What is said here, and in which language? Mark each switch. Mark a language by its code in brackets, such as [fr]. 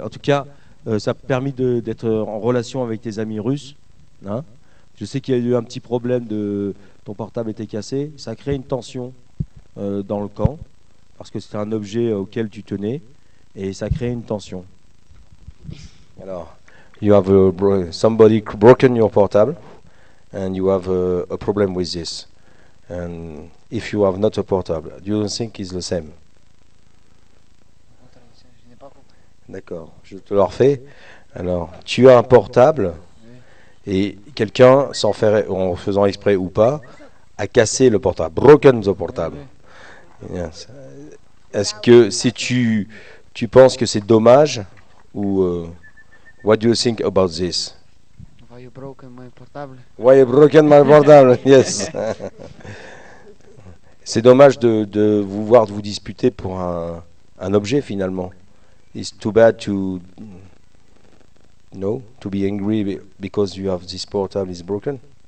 [fr] En tout cas, ça a permis d'être en relation avec tes amis russes. Hein, je sais qu'il y a eu un petit problème de ton portable était cassé. Ça a créé une tension dans le camp parce que c'était un objet auquel tu tenais et ça a créé une tension. [en] Alors, you have somebody broken your portable and you have a problem with this. And if you have not a portable, do you think it's the same? [fr] D'accord, je te le refais. Alors, tu as un portable. Et quelqu'un, sans faire, en faisant exprès ou pas, a cassé le portable. [en] Broken the portable. Yes. [fr] Est-ce que si tu penses que c'est dommage ou [en] what do you think about this? Why you broken my portable? Why you broken my portable? Yes. [fr] C'est dommage de vous voir de vous disputer pour un objet finalement. [en] It's too bad to. No, to be angry because you have this portable is broken.